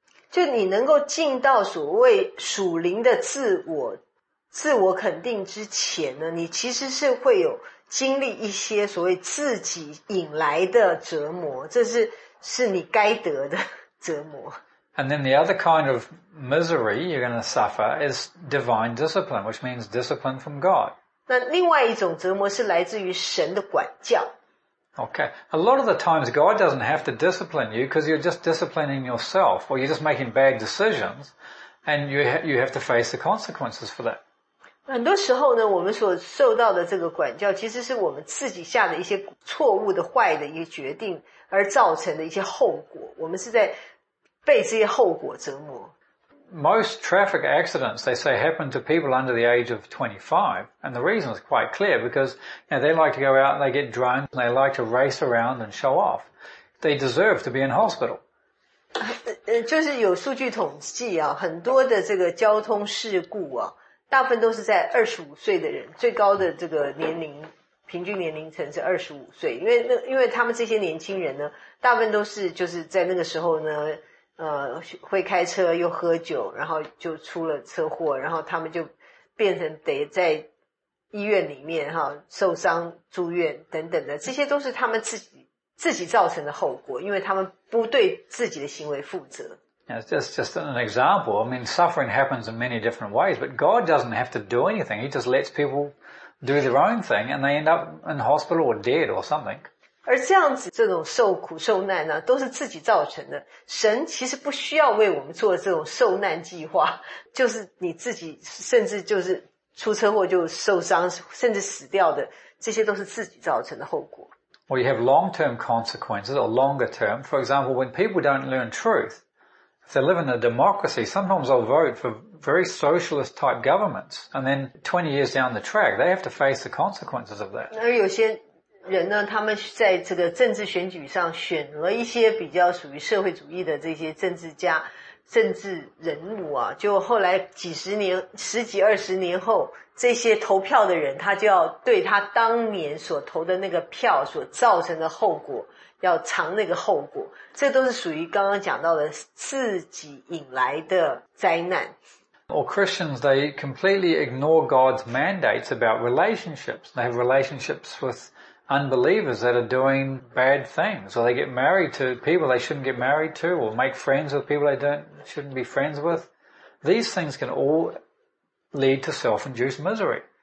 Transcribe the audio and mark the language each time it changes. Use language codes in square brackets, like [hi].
[zh] 就你能够进到所谓属灵的自我肯定之前呢，你其实是会有经历一些所谓自己引来的折磨，这是你该得的折磨。 [en] And then the other kind of misery you're going to suffer is divine discipline, which means discipline from God. [zh] 那另外一种折磨是来自于神的管教。 [en] Okay. A lot of the times God doesn't have to discipline you because you're just disciplining yourself or you're just making bad decisions and you have to face the consequences for that. [zh] 很多时候呢，我们所受到的这个管教其实是我们自己下的一些错误的坏的一个决定而造成的一些后果。我们是在被这些后果折磨。 [en] Most traffic accidents, they say, happen to people under the age of 25. And the reason is quite clear, because you know, they like to go out and they get drunk, and they like to race around and show off. They deserve to be in hospital. [zh] 就是有数据统计啊，很多的这个交通事故啊，大部分都是在25岁的人，最高的这个年龄，平均年龄层是25岁。因为他们这些年轻人呢，大部分都是就是在那个时候呢，会开车又喝酒，然后就出了车祸，然后他们就变成得在医院里面哈受伤住院等等的，这些都是他们自己造成的后果，因为他们不对自己的行为负责。 [en] Yeah, just an example. I mean, suffering happens in many different ways, but God doesn't have to do anything. He just lets people do their own thing, and they end up in hospital or dead or something. [zh] 而这样子这种受苦受难呢、啊、都是自己造成的。神其实不需要为我们做这种受难计划，就是你自己甚至就是出车祸就受伤甚至死掉的，这些都是自己造成的后果。 [en] Well, you have long-term consequences or longer term. For example, when people don't learn truth, if they live in a democracy, sometimes they'll vote for very socialist type governments. And then 20 years down the track, they have to face the consequences of that. [zh] 而有些人呢，他们在这个政治选举上选了一些比较属于社会主义的这些政治家、政治人物啊，就后来几十年、十几二十年后，这些投票的人，他就要对他当年所投的那个票所造成的后果，要偿那个后果。这都是属于刚刚讲到的自己引来的灾难。 [en] Or Christians, they completely ignore God's mandates about relationships. They have relationships withUnbelievers that are doing bad things, or they get married to people they shouldn't get married to, or make friends with people they shouldn't be friends with. These things can all lead to self-induced misery.